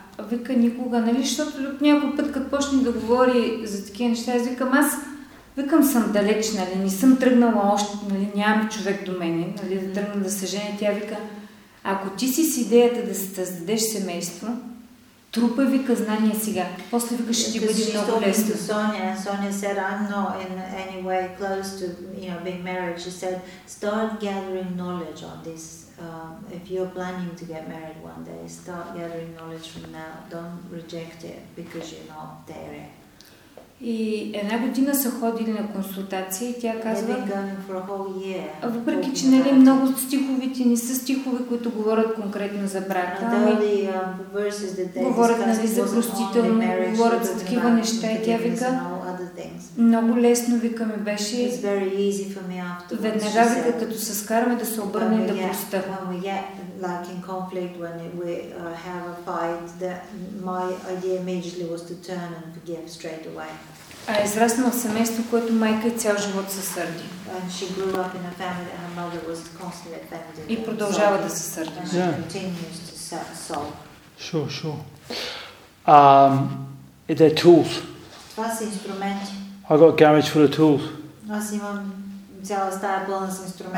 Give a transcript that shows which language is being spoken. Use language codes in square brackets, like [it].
[bg] Вика никога, нали, защото някой път, като почне да говори за такива неща, аз викам, аз викам съм далеч, нали, не съм тръгнала още, нали, нямам човек до мене, нали, да тръгна да се женя. Тя вика, ако ти си с идеята да се създадеш семейство, трупай, вика, знания сега. После, вика, ще ти бъде много лесно. [en] Sonia said, I'm not in any way close to, you know, being married. She said, start gathering knowledge on this. If you're planning to get married one day, start gathering knowledge from now. Don't reject it because you're not there. [bg] И една година са ходили на консултации, тя казва, въпреки че, нали, много от стиховите не са стихове, които говорят конкретно за брака, ами говорят, нали, за простително, говорят за такива неща, и тя вика, много лесно, вика, ми беше веднага, вика, като се скараме да се обърнем да проста. [en] Like in conflict when we have a fight, that my idea immediately was to turn and forgive straight away. [bg] А израснала в семейство, което майка и цял живот се сърди. [en] And she grew up in a family that her mother was constantly offended. [bg] И продължава да се сърди. [en] And she continues to sulk. Sure, sure. They're tools. [bg] Това са инструменти. [en] I got a garage full of tools. [bg] Аз имам цяла стая пълна с инструменти.